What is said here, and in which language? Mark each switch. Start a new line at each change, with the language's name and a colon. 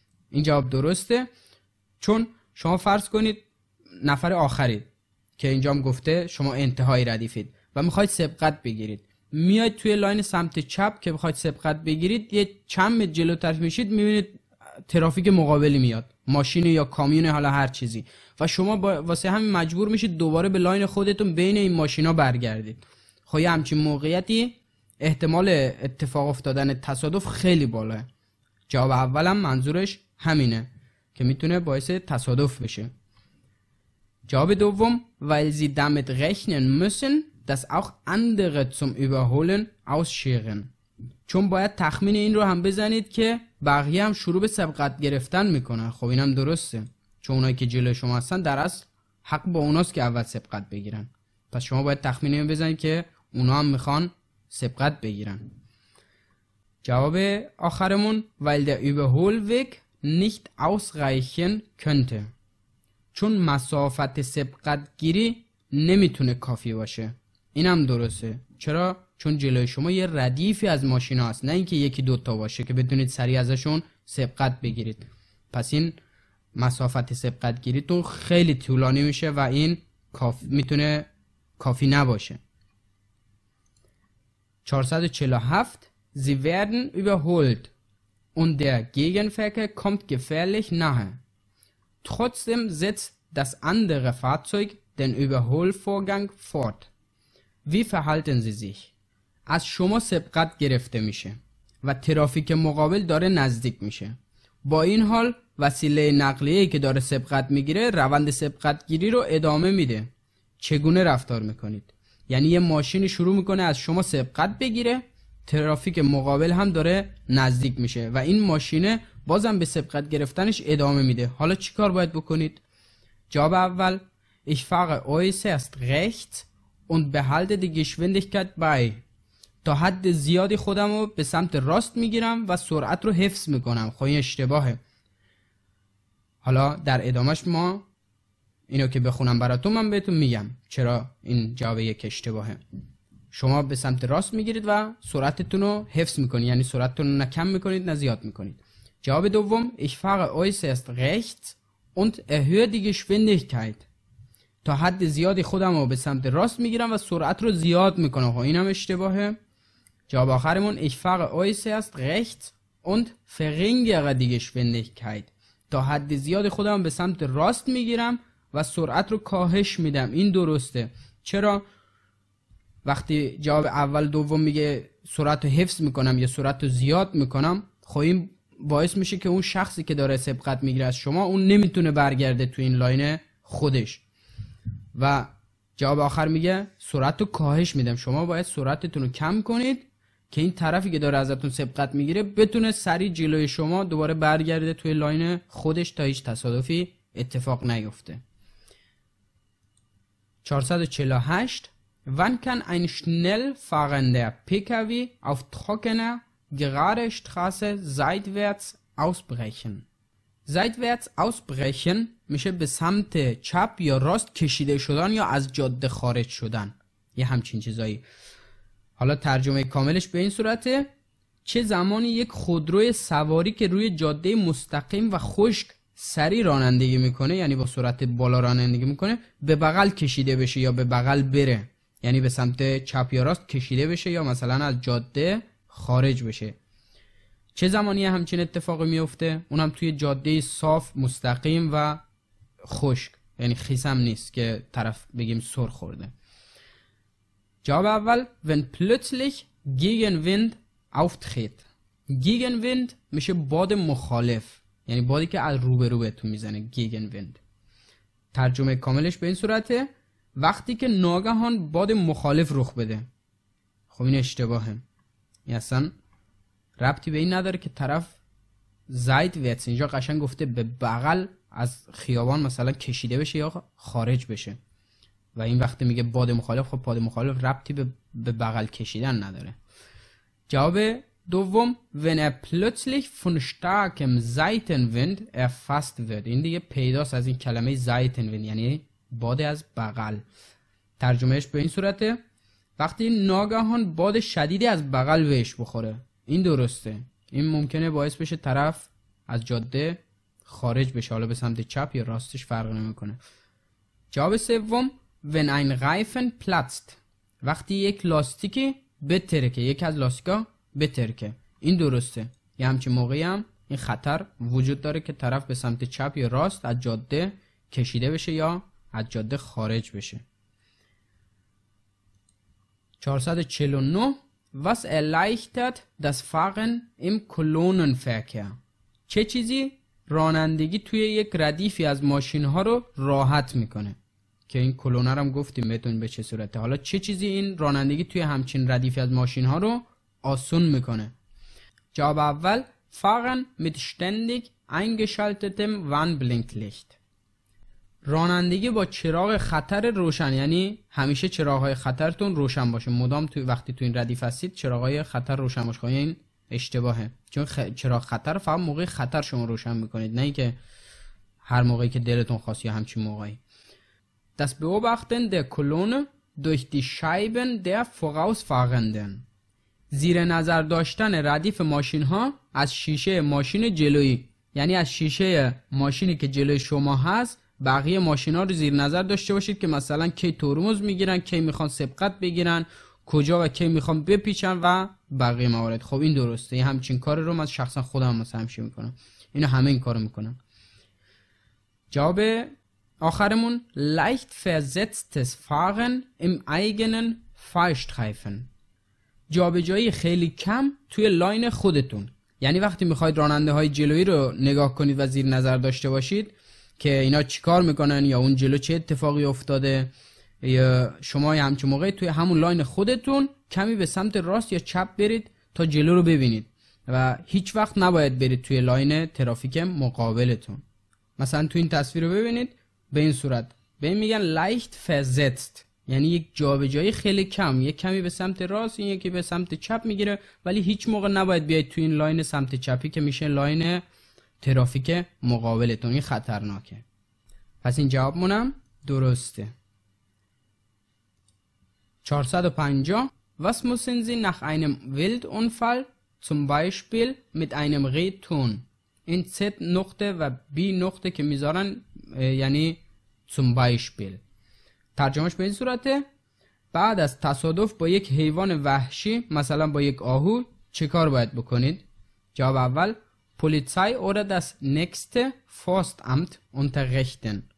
Persian: این جواب درسته، چون شما فرض کنید نفر آخرید که اینجا هم گفته شما انتهای ردیفید و میخواید سبقت بگیرید، میاید توی لاین سمت چپ که بخواید سبقت بگیرید، یه چند متر جلوتر میشید میبینید ترافیک مقابلی میاد، ماشین یا کامیون، حالا هر چیزی، و شما واسه همین مجبور میشید دوباره به لاین خودتون بین این ماشینا برگردید. خب همچین موقعیتی احتمال اتفاق افتادن تصادف خیلی بالاه. جواب اولم منظورش همینه که میتونه باعث تصادف بشه. جواب دوم،
German: weil sie damit rechnen müssen dass auch andere zum überholen ausscheren.
Persian: چون باید تخمین این رو هم بزنید که بقیه هم شروع به سبقت گرفتن میکنن. خب اینم درسته، چون اونایی که جلوی شما هستن در اصل حق با اوناست که اول سبقت بگیرن، پس شما باید تخمین این بزنید که اونا هم میخوان سبقت بگیرن. جواب آخرمون،
German: weil der Überholweg nicht ausreichen könnte.
Persian: چون مسافت سبقت گیری نمیتونه کافی باشه. اینم درسته، چرا؟ چون جلوی شما یه ردیفی از ماشین هست، نه اینکه یکی دوتا باشه که بتونید سریع ازشون سبقت بگیرید، پس این مسافت سبقت گیریتون خیلی طولانی میشه و این میتونه کافی نباشه.
German: 447، Sie werden überholt und der Gegenverkehr kommt gefährlich nahe. Trotzdem setzt das andere Fahrzeug den Überholvorgang fort. Wie verhalten Sie sich?
Persian: از شما سبقت گرفته میشه و ترافیک مقابل داره نزدیک میشه. با این حال وسیله نقلیه که داره سبقت میگیره روند سبقت گیری رو ادامه میده. چگونه رفتار میکنید؟ یعنی یه ماشین شروع میکنه از شما سبقت بگیره، ترافیک مقابل هم داره نزدیک میشه و این ماشینه بازم به سبقت گرفتنش ادامه میده. حالا چی کار باید بکنید؟ جواب اول،
German: ich fahre äußerst rechts und behalte die Geschwindigkeit bei.
Persian: تا حد زیادی خودم رو به سمت راست میگیرم و سرعت رو حفظ میکنم. خب این اشتباهه. حالا در ادامهش ما اینو که بخونم براتون، من بهتون میگم چرا این جواب یک اشتباهه. شما به سمت راست میگیرید و سرعتتون رو حفظ میکنید، یعنی سرعتتون رو نه کم میکنید نه زیاد میکنید. جواب دوم،
German: ich fahre äußerst rechts und erhöhe die Geschwindigkeit.
Persian: تا حد زیادی خودم رو به سمت راست میگیرم و سرعت رو زیاد میکنم. خب اینم اشتباهه. جواب آخرمون،
German: ich fahre äußerst rechts und verringere die Geschwindigkeit.
Persian: تا حد زیادی خودم به سمت راست میگیرم و سرعت رو کاهش میدم. این درسته. چرا؟ وقتی جواب اول دوم میگه سرعت رو حفظ میکنم یا سرعت رو زیاد میکنم، خب این باعث میشه که اون شخصی که داره سبقت میگیره از شما، اون نمیتونه برگرده تو این لاین خودش. و جواب آخر میگه سرعت رو کاهش میدم، شما باید سرعتتون رو کم کنید که این طرفی که داره ازتون سبقت میگیره بتونه سریع جلوی شما دوباره برگرده توی لاین خودش تا هیچ تصادفی اتفاق نیفته. 448،
German: Wann kann ein schnell fahrender PKW auf trockener, gerade Straße seitwärts ausbrechen? Seitwärts ausbrechen
Persian: میشه به سمت چپ یا راست کشیده شدن یا از جاده خارج شدن، یه همچین چیزایی. حالا ترجمه کاملش به این صورته، چه زمانی یک خودروی سواری که روی جاده مستقیم و خشک سریع رانندگی میکنه، یعنی با سرعت بالا رانندگی میکنه، به بغل کشیده بشه یا به بغل بره، یعنی به سمت چپ یا راست کشیده بشه یا مثلا از جاده خارج بشه. چه زمانی همچین اتفاقی میفته؟ اونم توی جاده صاف مستقیم و خشک، یعنی خیسم نیست که طرف بگیم سر خورده. جواب اول،
German: wenn plötzlich Gegenwind auftritt. Gegenwind
Persian: میشه باد مخالف، یعنی بادی که از روبرو بهتون میزنه. Gegenwind ترجمه کاملش به این صورته، وقتی که ناگهان باد مخالف رخ بده. خب این اشتباهه، یعنی اصلا ربطی به این نداره که طرف
German: seitwärts.
Persian: اینجا قشنگ گفته به بغل از خیابان مثلا کشیده بشه یا خارج بشه. و این وقتی میگه باد مخالف، خب باد مخالف ربطی به بغل کشیدن نداره. جواب دوم،
German: wenn er plötzlich von starkem Seitenwind erfasst wird.
Persian: این دیگه پیداست از این کلمه Seitenwind، یعنی باد از بغل. ترجمهش به این صورته، وقتی ناگهان باد شدیدی از بغل بهش بخوره. این درسته، این ممکنه باعث بشه طرف از جاده خارج بشه، حالا به سمت چپ یا راستش فرق نمیکنه. جواب سوم،
German: wenn ein Reifen platzt.
Persian: وقتی یک لاستیکی بترکه، یکی از لاستیکا بترکه. این درسته، یه همچین موقعی هم این خطر وجود داره که طرف به سمت چپ یا راست از جاده کشیده بشه یا از جاده خارج بشه.
German: 449، was erleichtert das Fahren im Kolonnenverkehr.
Persian: چه چیزی رانندگی توی یک ردیفی از ماشین ها رو راحت میکنه؟ که این کلونه رو هم گفتیم بهتون به چه صورته. حالا چه چیزی این رانندگی توی همچین ردیفی از ماشین ها رو آسون میکنه؟ جواب اول،
German: فاغن میت شتندیگ انگشالتتم وان بلینک لیخت.
Persian: رانندگی با چراغ خطر روشن، یعنی همیشه چراغهای خطرتون روشن باشه، مدام توی وقتی تو این ردیف هستید چراغهای خطر روشن باشه. این اشتباهه، چون چراغ خطر فقط موقع خطر شما روشن میکنید، نه اینکه هر موقعی که دلتون خواست یا همچین موقعی.
German: Das Beobachten der Kolonne durch die Scheiben der Vorausfahrenden.
Persian: زیر نظر داشتن ردیف ماشین ها از شیشه ماشین جلویی، یعنی از شیشه ماشینی که جلوی شما هست بقیه ماشین ها رو زیر نظر داشته باشید که مثلا کی ترمز میگیرن، کی میخوان سبقت بگیرن، کجا و کی میخوان بپیچن و بقیه موارد. خب این درسته، همچین کار رو من شخصا خودم مثلا همیشه میکنم، اینو همه این کارو میکنم. جواب آخرمون،
German: leicht versetztes fahren im eigenen Fahrstreifen.
Persian: جابجایی خیلی کم توی لاین خودتون، یعنی وقتی میخواید راننده های جلویی رو نگاه کنید و زیر نظر داشته باشید که اینا چیکار میکنن یا اون جلو چه اتفاقی افتاده، یا شما یه همچون موقعی توی همون لاین خودتون کمی به سمت راست یا چپ برید تا جلو رو ببینید و هیچ وقت نباید برید توی لاین ترافیک مقابلتون. مثلا توی این تصویر رو ببینید، به این صورت به این میگن
German: leicht versetzt،
Persian: یعنی یک جابجایی خیلی کم، یک کمی به سمت راست، این یکی به سمت چپ میگیره، ولی هیچ موقع نباید بیاید توی این لاین سمت چپی که میشه لاین ترافیک مقابلتون، این خطرناکه. پس این جواب مونم درسته.
German: 450، was müssen Sie nach einem Wildunfall zum Beispiel mit einem Reh tun.
Persian: این Z نقطه و B نقطه که میذارن یعنی
German: zum Beispiel.
Persian: ترجمهش به این صورته، بعد از تصادف با یک حیوان وحشی مثلا با یک آهو چه کار باید بکنید؟ جواب اول،
German: پولیسای اورا دست نکست فاست امت انترخدن.